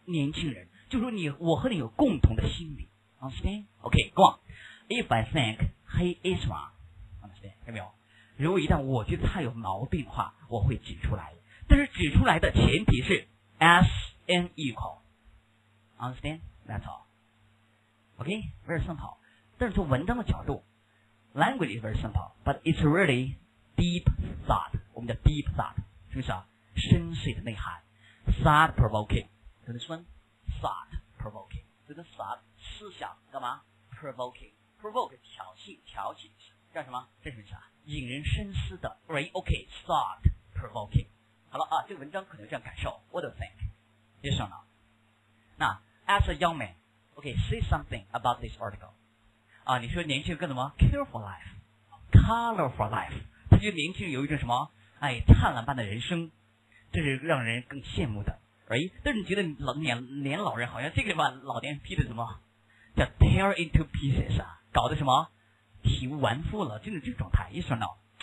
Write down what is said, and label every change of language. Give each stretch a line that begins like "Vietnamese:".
Chinese: 年轻人，就说你，我和你有共同的心理 ，understand？
English: OK， go on。 If I think he is wrong， understand？
Chinese: 看到没有？如果一旦我觉得他有毛病的话，我会指出来。但是指出来的前提是
English: as an equal，
Chinese: understand？
English: That's all。 OK， very simple，
Chinese: 但是从文章的角度
English: language is very simple， but it's really deep thought， 我们叫 deep thought，
Chinese: 是不是啊？深邃的内涵， thought provoking， 可能说 thought provoking， 这个 thought 思想干嘛？ provoking， provoke 挑起叫什么？这是什么意思啊？引人深思的 right， OK， thought provoking， 好了啊，这个文章可能这样感受，
English: what do you think？ Yes or no？那 as a young manOkay, say something about this article.
Chinese: 啊，你说年轻人跟什么 careful life, colorful life? 他觉得年轻人有一种什么哎灿烂般的人生，这是让人更羡慕的 ，right？但是你觉得年老人好像这个把老年人劈的什么叫 tear into pieces 啊，搞得什么体无完肤了，就是这个状态。
English: Yes or no？